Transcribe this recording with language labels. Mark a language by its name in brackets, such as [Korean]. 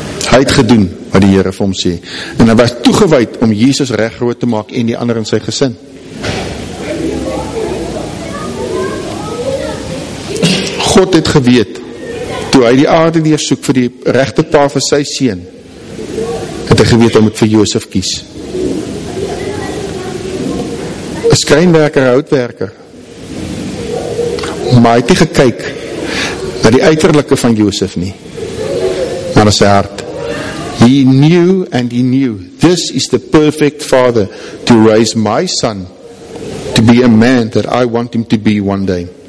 [Afrikaans] Hy het gedoen wat die Here vir hom sê. En hy was toegewyd om Jesus reg groot te maak en die ander in sy gesin. God het geweet, toe hy die aarde deursoek vir die regte pa vir sy seun, het hy geweet om het vir Josef kies. Een skrynwerker, houtwerker. Maar hy het nie gekyk na die uiterlike van Josef nie, maar na sy hart. [English] He knew and he knew, this is the perfect father to raise my son to be a man that I want him to be one day.